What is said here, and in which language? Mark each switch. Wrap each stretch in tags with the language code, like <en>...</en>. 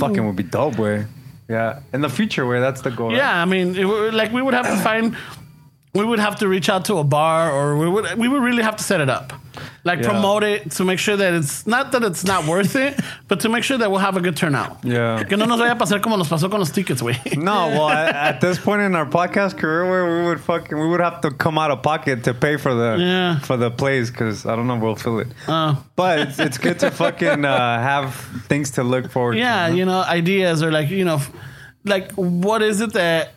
<en>Fucking would be dope, güey. Yeah, in the future, where that's the goal. Yeah, right? I mean, we would have to find, we would have to reach out to a bar, or we would really have to set it up. Like, promote it to make sure that it's not that it's not worth it, but to make sure that we'll have a good turnout. Yeah.</en> <es>Que no nos vaya a pasar como nos pasó con los tickets, güey.</es> <en>No, well, at this point in our podcast career, where we would have to come out of pocket to pay for the place, because I don't know if we'll fill it. But it's good to fucking have things to look forward to. Yeah, you know, ideas or like, you know, like what is it that.</en>